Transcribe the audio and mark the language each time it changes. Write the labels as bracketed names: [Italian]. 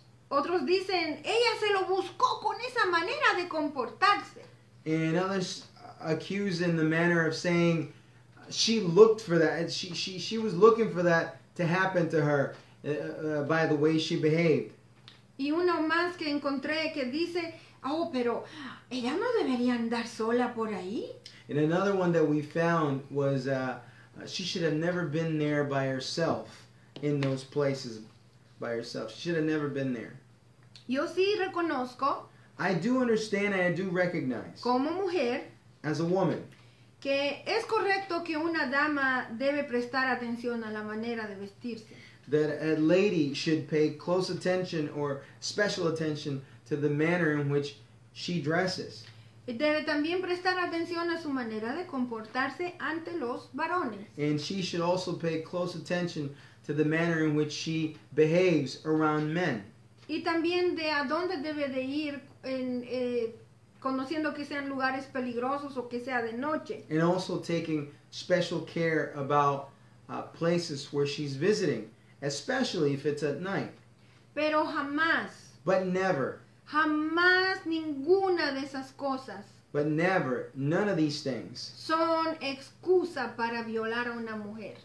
[Spanish] Otros dicen, ella se lo buscó con esa manera de comportarse. [English] And others accuse in the manner of saying, she looked for that. She was looking for that to happen to her by the way she behaved. [Spanish] Y uno más que encontré que dice, pero ella no debería andar sola por ahí. [English] And another one that we found was, she should have never been there by herself. In those places by herself. She should have never been there. [Spanish] Yo sí reconozco. [English] I do understand and I do recognize. [Spanish] Como mujer. [English] As a woman. [Spanish] Que es correcto que una dama debe prestar atención a la manera de vestirse. [English] That a lady should pay close attention or special attention to the manner in which she dresses. [Spanish] Debe también prestar atención a su manera de comportarse ante los varones. [English] And she should also pay close attention to the manner in which she behaves around men. [Spanish] Y también de a dónde debe de ir en conociendo que sean lugares peligrosos o que sea de noche. [English] And also taking special care about places where she's visiting, especially if it's at night. [Spanish] Pero jamás. [English] But never. [Spanish] Jamás ninguna de esas cosas. [English] But never, none of these things. [Spanish] Son excusa para violar a una mujer.